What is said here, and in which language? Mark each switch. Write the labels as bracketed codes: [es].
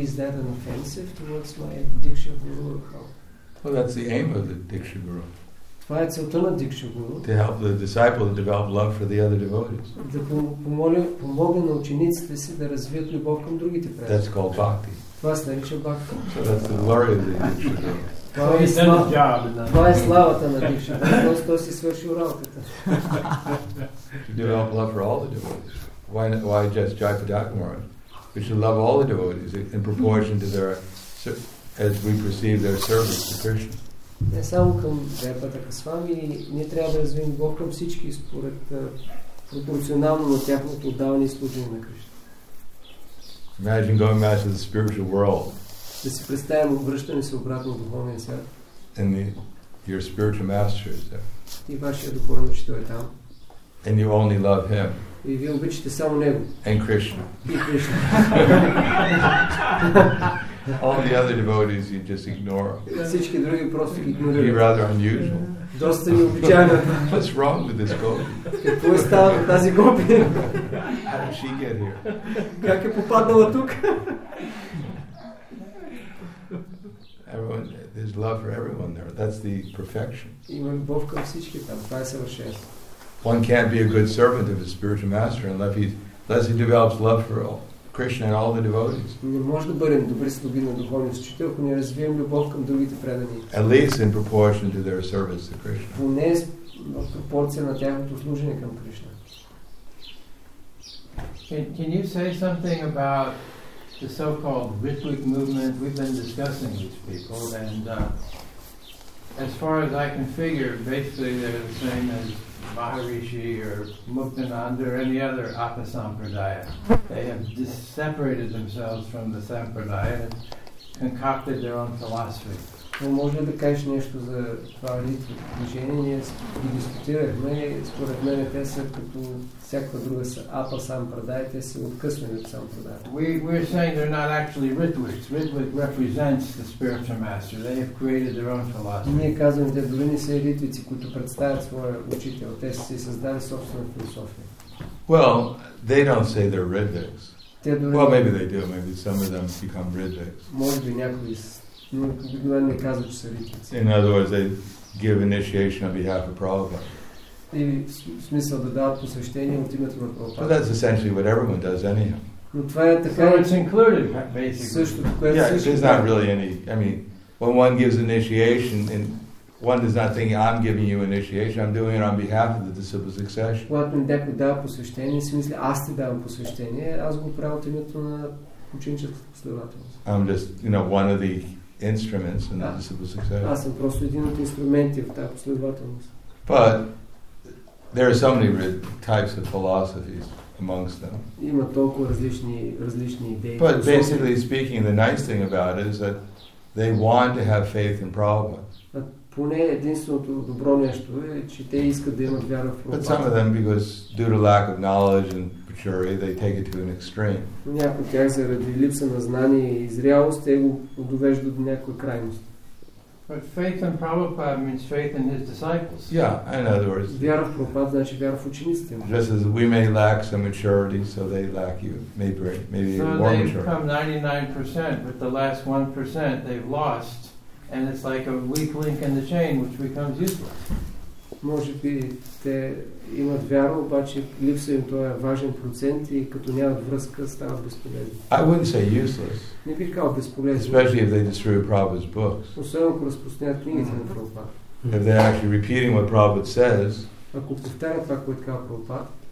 [en] Is that an offensive towards my Diksha Guru? Well, that's the aim of the Diksha Guru. [bg] Това е целта на Дикша Гуру. [en] To help the disciple develop love for the other devotees. [bg] Да помогне на учениците си да развият любов към другите преданици. [en] That's called bhakti. [bg] Това се нарича бхакти. [en] So that's the glory of the Дикша Гуру. [bg] Това е славата на Дикша Гуру. Просто си свършил работата. [en] To develop love for all the devotees. Why just Jayapataka Maharaj? We should love all the devotees in proportion to their, as we perceive their service to Krishna. [bg] Не само към Джайпатака Свами, ние трябва да развием Бог към всички според пропорционално на тяхното отдаване и служение на Кришна. [en] Imagine going back to the spiritual world. [bg] Да си представим обръщане се обратно в духовния свят. [en] And your spiritual master is there. [bg] И вашия духовен учител е там. [en] And you only love him. [bg] И вие обичате само него. [en] And Krishna. [bg] И Кришна. [en] All the other devotees you just ignore. [bg] Всички други просто ги игнорират. [en] You're rather unusual. [bg] Доста необичайна. [en] What's wrong with this gopi? [bg] Какво е станало с тази гопи? [en] How did she get here? [bg] Как е попаднала тук? [en] Everyone, there's love for everyone there. That's the perfection. [bg] Има любов към всички там. Това е съвършенство. [en] One can't be a good servant of his spiritual master unless he develops love for all Krishna and all the devotees. [bg] Не може да бъдем добри слуги на духовния учител, ако не развием любов към другите предани. [en] At least in proportion to their service to Krishna. [bg] Поне в пропорция на тяхното служение към Кришна. [en] Can you say something about the so-called Ritwik movement? We've been discussing these people, and as far as I can figure, basically they're the same as Maharishi or Muktananda or any other Apa Sampradaya. They have separated themselves from the Sampradaya and concocted their own philosophy. [bg] Може да кажеш нещо за това движение? Ние ги дискутирахме. Според мен те са като всяка друга Апа Сампрадая. Те са откъснени от Сампрадая. [en] We're saying they're not actually Ritwiks. Ritwik represents the spiritual master. They have created their own philosophy. [bg] Ние казваме, те дори не са ритвици, които представят своя учител. Те са си създали собствена философия. [en] Well, they don't say they're Ritwiks. Well, maybe they do. Maybe some of them become Ritwiks. [bg] Може би някои са. [en] In other words, they give initiation on behalf of Prabhupada. But that's essentially what everyone does anyhow. So it's included, basically. Yeah, there's not really any... I mean, when one gives initiation, and one is not thinking, I'm giving you initiation, I'm doing it on behalf of the disciple succession. When one gives посвещение, I'm giving you посвещение, I'm doing it on behalf of the disciple succession. I'm just, you know, one of the instruments in the disciple succession. [bg] Аз съм просто един от инструментите в тази последователност. [en] But there are so many types of philosophies amongst them. [bg] Има толкова различни идеи. [en] But basically speaking, the nice thing about it is that they want to have faith in Prabhupada. [bg] Поне единственото добро нещо е, че те искат да имат вяра в Прабхупада. [en] But some of them, because due to lack of knowledge and maturity, they take it to an extreme. [bg] Някои от тях заради липса на знание и зрялост, те го довеждат до някаква крайност. [en] But faith in Prabhupada means faith in his disciples. Yeah, in other words. [bg] Вяра в Прабхупада значи вяра в учениците му. [en] Just as we may lack some maturity, so they lack you. Maybe so more maturity. So they become 99%, but the last 1% they've lost. and it's like a weak link in the chain which becomes useless. [bg] Може би те имат вяра, обаче липса им този важен процент и като нямат връзка, става безполезен. [en] I wouldn't say useless. [bg] Не бих казал безполезен. [en] Especially if they distribute Prabhupada's books. [bg] Особено ако разпространяват книгите на Прабхупада. [en] If they're actually repeating what Prabhupada says, [bg] ако повтарят това, което казва Прабхупада,